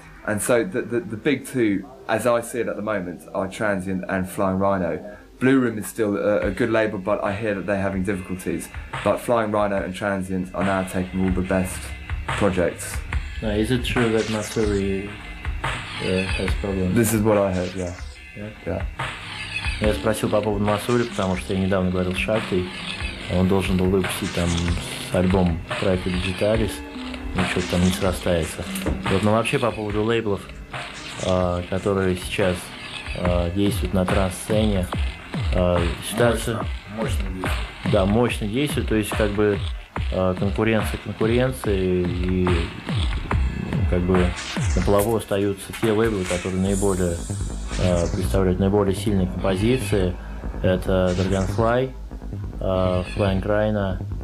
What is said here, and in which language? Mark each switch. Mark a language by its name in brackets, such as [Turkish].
[English] And so the big two, as I see it at the moment, are Transient and Flying Rhino. Blue Room is still a good label, but I hear that they're having difficulties. But Flying Rhino and Transient are now taking all the best projects. Now, is it true that Mastery has problems? This is what I heard, yeah. [Russian] Я спросил по поводу Mastery, потому что я недавно говорил с Шахтой. Он должен был выпустить там альбом проекта Digitalis, но что-то там не срастается. Вот, но вообще по поводу лейблов, которые сейчас действуют на транс-сцене, ситуация... Мощно действует. Да, мощно действует, то есть как бы конкуренция, и как бы на плаву остаются те лейблы, которые наиболее представляют наиболее сильные композиции. Это Dragonfly, Flying Rhino,